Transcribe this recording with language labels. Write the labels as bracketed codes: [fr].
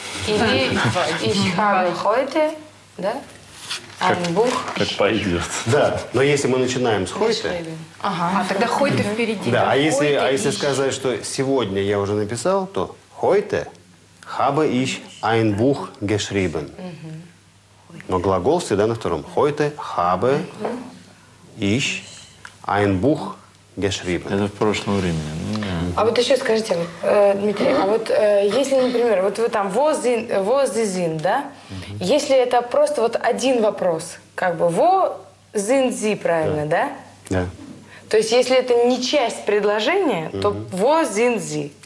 [de] Ich habe heute, [ru] да? [de] Ein Buch. [ru] Как пойдет. Да. Но если мы начинаем с heute. Тогда heute впереди. Да. А если сказать, что сегодня я уже написал, то [de] heute habe ich ein Buch geschrieben. [ru] Но глагол всегда на втором. [de] Heute habe ich ein Buch geschrieben. [ru] Это в прошлом времени. Ну, а вот еще скажите, Дмитрий, а вот если, например, вот вы там [de] wo sie sind, [ru] да? Если это просто вот один вопрос, как бы [de] wo sind sie, [ru] правильно, да? Да. То есть если это не часть предложения, то [de] wo sind sie?